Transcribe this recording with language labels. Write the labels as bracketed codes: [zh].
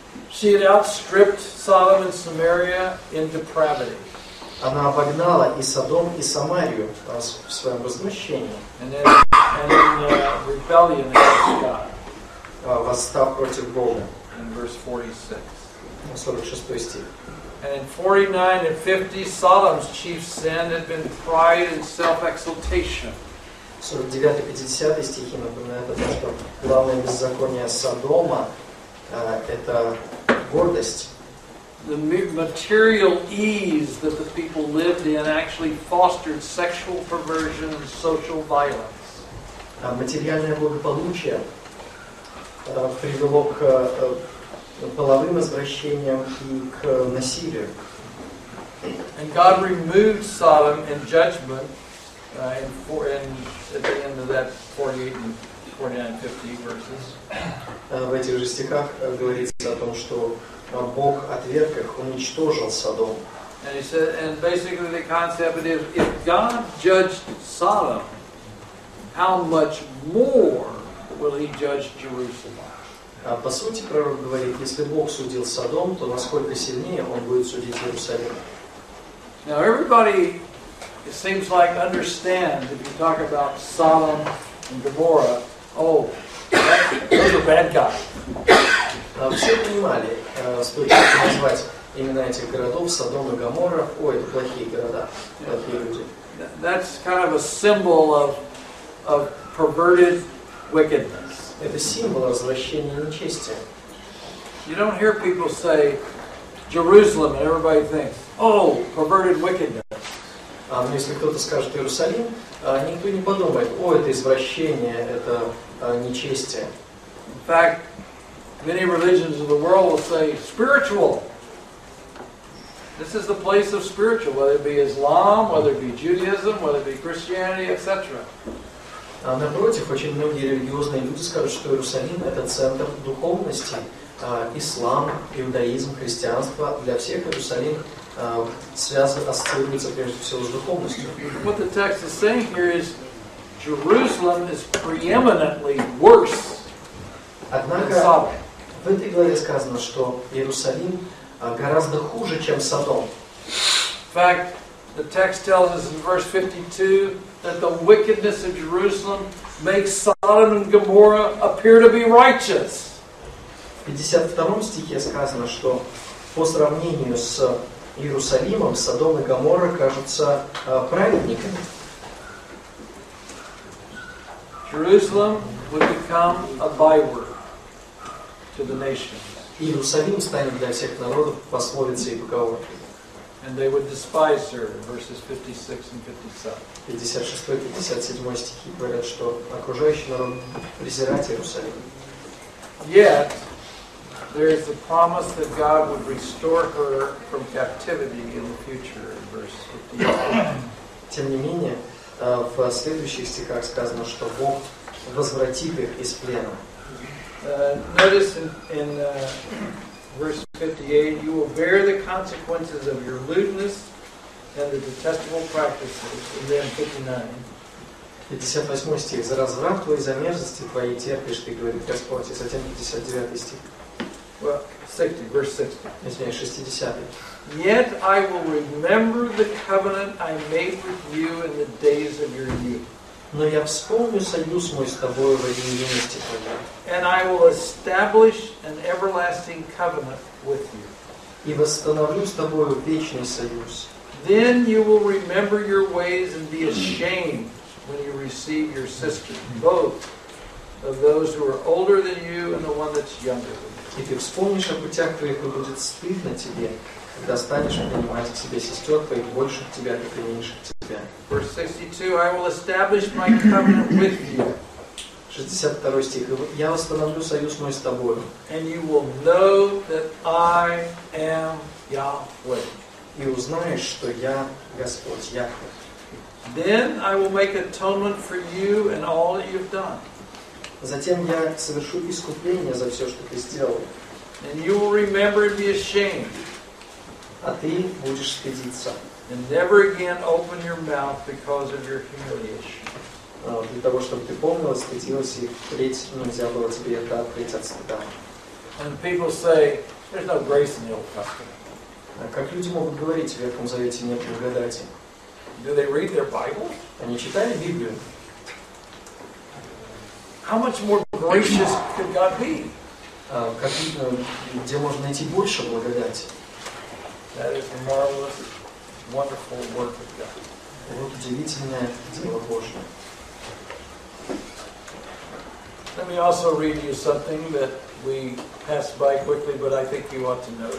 [en] She had outstripped Sodom and Samaria in depravity. [ru] Она обогнала и Содом, и Самарию в своем возмущении. [en] And in rebellion against God. [ru] Восстав против Бога. [en] In verse 46. [ru] 46 стих. [en] And in 49 and 50, Sodom's chief sin had been pride and self-exaltation. [ru] 49 и 50 стихи напоминают о том, что главное беззаконие Содома это гордость. [en] The material ease that the people lived in actually fostered sexual perversion and social violence. [ru] материальное благополучие привело к половым извращениям и к насилию. [en] And God removed Sodom in judgment at the end of that 48 and 49-50 verses. [ru] В этих же стихах говорится о том, что Бог отверг их, уничтожил Содом. [en] And he said, and basically the concept is, if God judged Sodom, how much more will He judge Jerusalem? [ru] По сути, пророк говорит, если Бог судил Содом, то насколько сильнее Он будет судить Иерусалим? [en] Now everybody, it seems like, understands if you talk about Sodom and Gomorrah, those are bad guys. [ru] Все понимали, стоит назвать именно этих городов Содом и Гоморра, это плохие города, плохие люди. [en] That's kind of a symbol of perverted wickedness. [ru] Это символ развращения и нечестия. [en] You don't hear people say Jerusalem, and everybody thinks, perverted wickedness. [ru] Но если кто-то скажет Иерусалим, никто не подумает, это извращение, это нечестие. [en] In fact, many religions of the world will say spiritual. This is the place of spiritual, whether it be Islam, whether it be Judaism, whether it be Christianity, etc. [ru] Напротив, очень многие религиозные люди скажут, что Иерусалим — это центр духовности, ислам, иудаизм, христианство. Для всех Иерусалим ассоциируется прежде всего с духовностью. [en] What the text is saying here is Jerusalem is preeminently worse. [ru] Однако в этой главе сказано, что Иерусалим гораздо хуже, чем Содом. [en] In fact, the text tells us in verse 52 that the wickedness of Jerusalem makes Sodom and Gomorrah appear to be righteous. [ru] В 52 стихе сказано, что по сравнению с Иерусалимом, Содом и Гоморра кажутся праведниками. [en] Jerusalem would become a byword to the nations. [ru] Иерусалим станет для всех народов пословицей и поговоркой. [en] And they would despise her, verses 56 and 57 [ru] стихи говорят, что окружающий народ презирает Иерусалим. [en] Yet there is the promise that God would restore her from captivity in the future, in verse 58. [ru] Тем не менее, в следующих стихах сказано, что Бог возвратит их из плена. [en] Notice in verse 58, you will bear the consequences of your lewdness and the detestable practices. And then [ru] 59 стих. За разврат твой, за мерзости твои терпишь ты, говорит Господь. И затем 59 стих. [en] Well, 60, verse 60. [ru] Извиняюсь, 60. [en] Yet I will remember the covenant I made with you in the days of your youth. [ru] Но я вспомню союз мой с тобою в один юности. [en] And I will establish an everlasting covenant with you. [ru] И восстановлю с тобою вечный союз. [en] Then you will remember your ways and be ashamed when you receive your sister, both of those who are older than you and the one that's younger than you. [ru] И ты вспомнишь о путях твоих, и будет стыдно тебе, когда станешь принимать к себе сестер твоих, больших тебя, как и меньших тебя. [en] Verse 62, I will establish my covenant with you. [ru] 62 стих. Я восстановлю союз мой с тобою. [en] And you will know that I am Yahweh. [ru] И узнаешь, что я Господь, Яхве. [en] Then I will make atonement for you and all that you've done. [ru] Затем я совершу искупление за все, что ты сделал. [en] And you will remember and be ashamed. [ru] А ты будешь стыдиться. [en] And never again open your mouth because of your humiliation. [ru] Для того, чтобы ты помнил, стыдилась, и впредь нельзя было тебе это открыть от стыда. [en] And people say, there's no grace in the Old Testament. [ru] Как люди могут говорить, в Ветхом Завете нет благодати? [en] Do they read their Bible? [ru] Они читали Библию? [en] How much more gracious could God be? [ru] Как видно, где можно найти больше благодати? [en] That is a marvelous, wonderful work of God. [ru] Вот удивительное дело Божье. [en] Let me also read you something that we passed by quickly, but I think you ought to know.